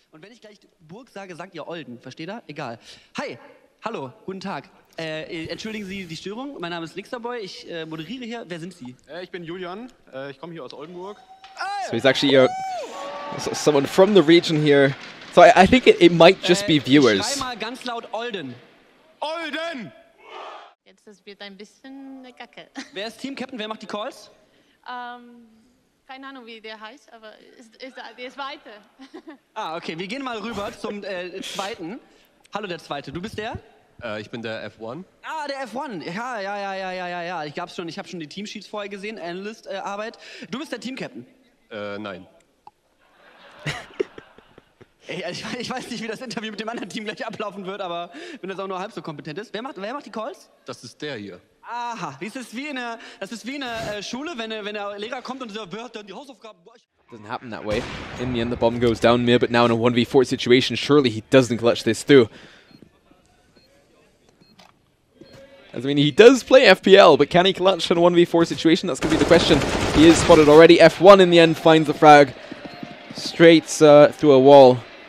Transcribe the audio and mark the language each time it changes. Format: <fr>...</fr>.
<de>Und wenn ich gleich Burg sage, sagt ihr Olden, versteht ihr? Egal. Hi, hallo, guten Tag. Entschuldigen Sie die Störung, mein Name ist Lixerboy, ich moderiere hier. Wer sind Sie? Ich bin Julian, ich komme hier aus Oldenburg.</de> <en>So he's actually someone from the region here. So I think it might just be viewers.</en> <de>Ich schrei mal ganz laut Olden. Olden! Jetzt das wird ein bisschen eine Kacke. Wer ist Team Captain? Wer macht die Calls? Keine Ahnung, wie der heißt, aber ist weiter. Ah, okay, wir gehen mal rüber zum zweiten. Hallo der zweite, du bist der? Ich bin der F1. Ah, der F1. Ja. Ich gab's schon, ich habe schon die Teamsheets vorher gesehen, Analyst Arbeit. Du bist der Team Captain? Nein. Ich weiß nicht, wie das Interview mit dem anderen Team gleich ablaufen wird, aber wenn das auch nur halb so kompetent ist. Wer macht die Calls? Das ist der hier. Aha, das ist wie in der Schule, wenn der Lehrer kommt und so, wird dann die Hausaufgaben.</de> <en>Doesn't happen that way. In the end, the bomb goes down mir, but now in a 1v4 situation, surely he doesn't clutch this through. I mean, he does play FPL, but can he clutch in a 1v4 situation? That's going to be the question. He is spotted already. F1 in the end finds the frag straight through a wall.</en>